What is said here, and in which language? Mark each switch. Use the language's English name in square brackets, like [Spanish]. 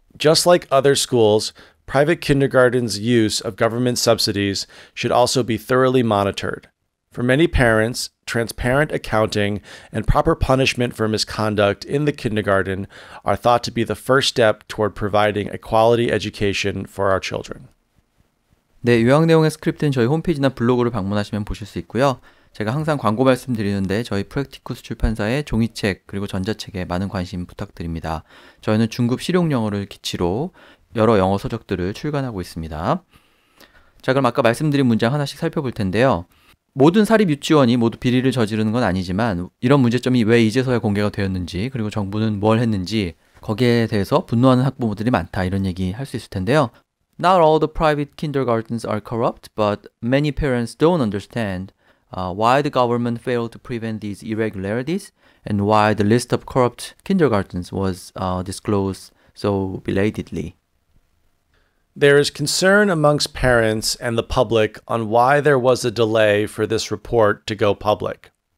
[English] Just like other schools, private kindergartens' use of government subsidies should also be thoroughly monitored. For many parents, transparent accounting and proper punishment for misconduct in the kindergarten are thought to be the first step toward providing a quality education for our children. [Korean] 네, 요약 내용의 스크립트는 저희 홈페이지나 블로그를 방문하시면 보실 수 있고요. 제가 항상 광고 말씀드리는데 저희 프랙티쿠스 출판사의 종이책 그리고 전자책에 많은 관심 부탁드립니다. 저희는 중급 실용 영어를 기치로 여러 영어 서적들을 출간하고 있습니다. 자, 그럼 아까 말씀드린 문장 하나씩 살펴볼 텐데요. 모든 사립 유치원이 모두 비리를 저지르는 건 아니지만 이런 문제점이 왜 이제서야 공개가 되었는지 그리고 정부는 뭘 했는지 거기에 대해서 분노하는 학부모들이 많다 이런 얘기 할 수 있을 텐데요. [English] Not all the private kindergartens are corrupt, but many parents don't understand why the government failed to prevent these irregularities and why the list of corrupt kindergartens was disclosed so belatedly. There is concern amongst parents and the public on why there was a delay for this report to go public.